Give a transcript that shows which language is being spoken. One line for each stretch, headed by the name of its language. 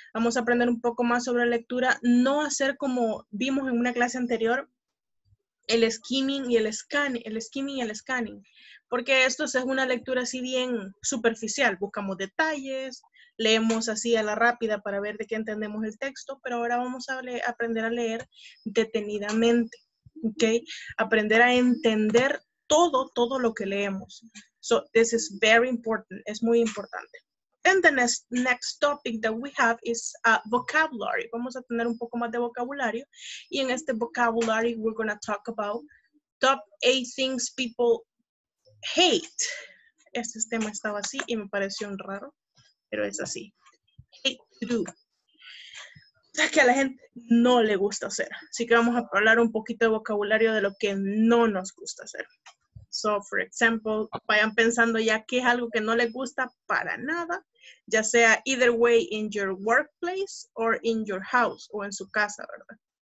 Spanish: Vamos a aprender un poco más sobre lectura. No hacer como vimos en una clase anterior, el skimming y el scanning, porque esto es una lectura así bien superficial. Buscamos detalles, leemos así a la rápida para ver de qué entendemos el texto, pero ahora vamos a aprender a leer detenidamente, ¿ok? Aprender a entender todo, todo lo que leemos.
English: So, this is very important.
Spanish: Es muy importante.
English: And the next topic that we have is vocabulary.
Spanish: Vamos a tener un poco más de vocabulario. Y en este vocabulary,
English: we're going to talk about top 8 things people hate.
Spanish: Este tema estaba así y me pareció un raro, pero es así.
English: Hate to do.
Spanish: O sea, que a la gente no le gusta hacer. Así que vamos a hablar un poquito de vocabulario de lo que no nos gusta hacer.
English: So, for example,
Spanish: vayan pensando ya qué es algo que no les gusta para nada, ya sea
English: either way in your workplace or in your house
Spanish: o en su casa, ¿verdad?